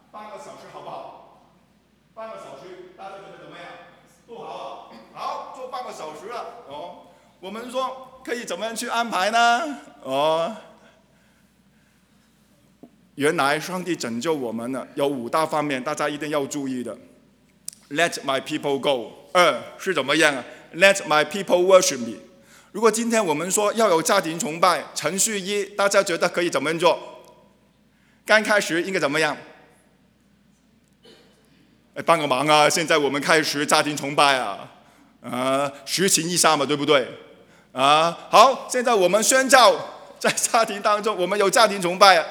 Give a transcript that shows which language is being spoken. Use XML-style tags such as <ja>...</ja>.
<zh>半个小时好不好？半个小时，大家觉得怎么样？不好，好，做半个小时了哦。我们说可以怎么样去安排呢？哦，原来上帝拯救我们了，有五大方面，大家一定要注意的。</zh> <en>Let my people go。</en> <zh>二是怎么样</zh> <en>？Let my people worship me。</en> <zh>如果今天我们说要有家庭崇拜，程序一，大家觉得可以怎么样做？刚开始应该怎么样？哎，帮个忙啊！现在我们开始家庭崇拜啊，实行一下嘛，对不对？啊，好，现在我们宣教，在家庭当中，我们有家庭崇拜。</zh>